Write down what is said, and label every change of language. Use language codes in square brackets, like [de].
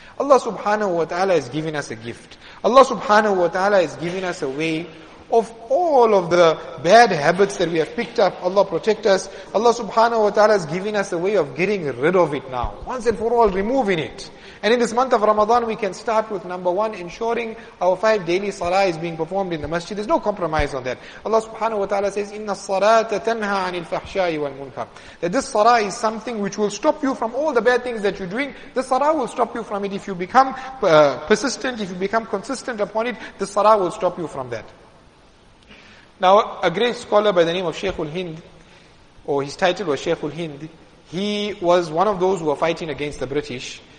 [en] Allah subhanahu wa ta'ala has given us a gift. Allah subhanahu wa ta'ala has given us a way of all of the bad habits that we have picked up. Allah protect us. Allah subhanahu wa ta'ala has given us a way of getting rid of it now. Once and for all, removing it. And in this month of Ramadan, we can start with number one, ensuring our five daily salah is being performed in the masjid. There's no compromise on that. [ar] Allah subhanahu wa ta'ala says, إِنَّ الصَّلَاةَ تَنْهَى عَنِ الْفَحْشَاءِ وَالْمُنْكَرِ. [en] That this salah is something which will stop you from all the bad things that you're doing. This salah will stop you from it. If you become persistent, if you become consistent upon it, this salah will stop you from that. Now, a great scholar by the name of Shaykh al-Hind, or his title was Shaykh al-Hind, he was one of those who were fighting against the British.